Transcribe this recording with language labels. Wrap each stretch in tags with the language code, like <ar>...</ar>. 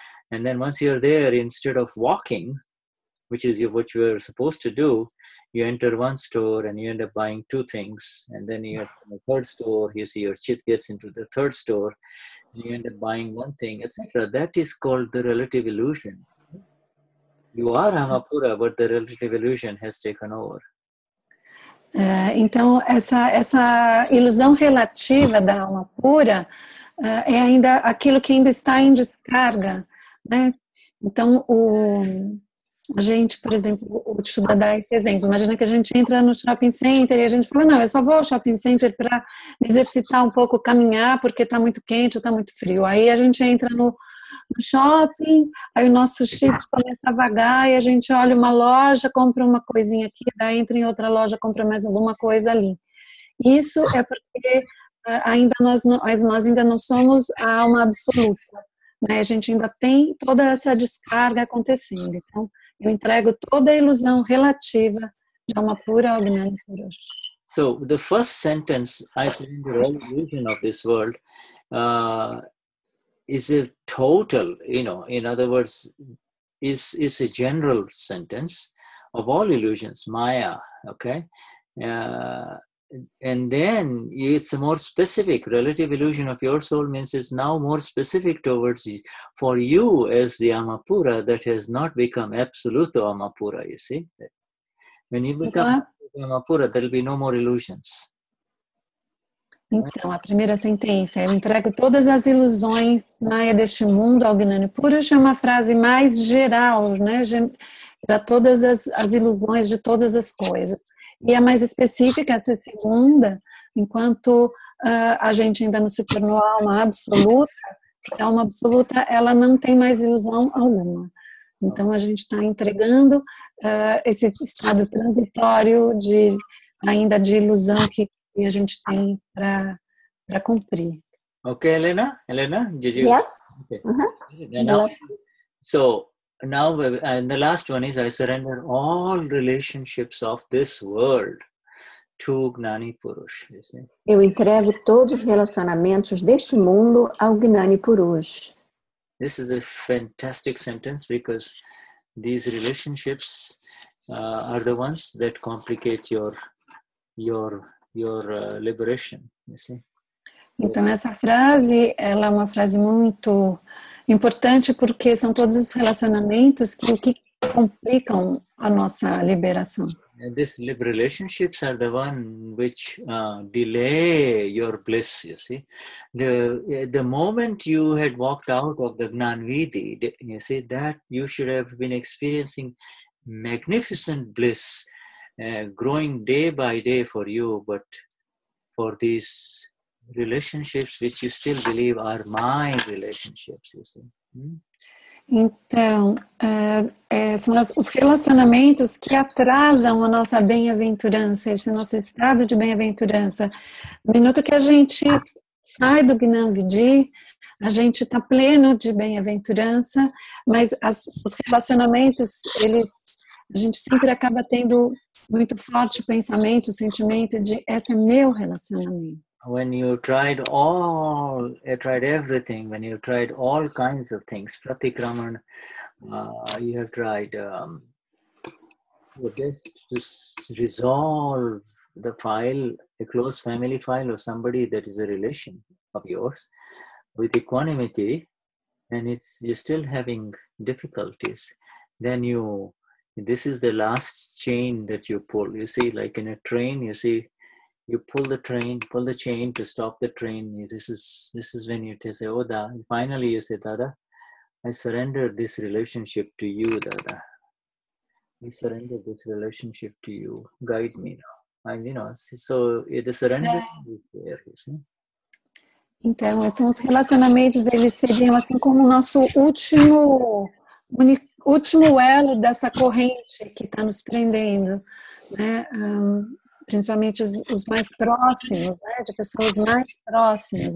<en>And then once you're there, instead of walking, which is what you were supposed to do, you enter one store and you end up buying two things. And then you have the third store, you see your chit gets into the third store, and you end up buying one thing, etc. That is called the relative illusion. You are Amapura, but the relative illusion has taken over.</en> <pt>Então, essa ilusão relativa da alma pura é ainda aquilo que ainda está em descarga, né? Então, a gente, por exemplo, o Vishuddhatma, por exemplo, imagina que a gente entra no shopping center e a gente fala, não, eu só vou ao shopping center para exercitar um pouco, caminhar, porque está muito quente ou está muito frio. Aí a gente entra no shopping, aí o nosso chit começa a vagar e a gente olha uma loja, compra uma coisinha aqui, daí entra em outra loja, compra mais alguma coisa ali. Isso é porque ainda nós ainda não somos a alma absoluta, né? A gente ainda tem toda essa descarga acontecendo. Então, eu entrego toda a ilusão relativa de alma pura ao Gnani Purush.</pt> <en>So, the first sentence, I surrender all illusion of this world, is a total, you know, in other words, is a general sentence of all illusions, Maya, okay? And then it's a more specific relative illusion of your soul, means it's now more specific towards for you as the Amapura that has not become</en> <pt>absoluto</pt> <en>Amapura, you see? When you become Amapura, there will be no more illusions.</en> <pt>Então, a primeira sentença, eu entrego todas as ilusões, Maya, deste mundo ao Gnani Purush, é uma frase mais geral, né? Para todas as ilusões de todas as coisas. E a mais específica, essa segunda, enquanto a gente ainda não se tornou alma absoluta, a alma absoluta, ela não tem mais ilusão alguma. Então, a gente está entregando esse estado transitório de, ainda de ilusão que e a gente tem para cumprir. Ok, Helena? Helena?</pt> <en>Did you... Yes. Okay. Uh-huh. Now, so, now, and the last one is, I surrender all relationships of this world to Gnani Purush.</en> <pt>Eu entrego todos os relacionamentos deste mundo ao Gnani Purush.</pt> <en>This is a fantastic sentence because these relationships are the ones that complicate your liberation, you see?</en> <pt>Então, essa frase, ela é uma frase muito importante porque são todos os relacionamentos que complicam a nossa liberação.</pt> <en>And these relationships are the one which delay your bliss, you see? The moment you had walked out of the Gnan Vidhi, you see, that you should have been experiencing magnificent bliss growing day by day for you, but for these relationships which you still believe are my relationships, you see.</en> <pt>Então, são os relacionamentos que atrasam a nossa bem-aventurança, esse nosso estado de bem-aventurança. No minuto que a gente sai do Gnan Vidhi, a gente está pleno de bem-aventurança, mas os relacionamentos, eles, a gente sempre acaba tendo muito forte o pensamento, o sentimento de esse é meu relacionamento.</pt> <en>When you tried all, you tried everything, when you tried all kinds of things, pratikraman, you have tried your best to resolve the file, a close family file of somebody that is a relation of yours with equanimity, and it's you're still having difficulties, then you, this is the last chain that you pull. You see, like in a train, you see, you pull the train, pull the chain to stop the train. This is when you say, oh, Dada. Finally, you say, Dada, I surrender this relationship to you, Dada. I surrender this relationship to you. Guide me now. And, you know, so the surrender is there, you see.</en> <pt>Então, os relacionamentos, eles seriam assim como o nosso último elo dessa corrente que está nos prendendo, né? Principalmente os mais próximos, né? De pessoas mais próximas.</pt>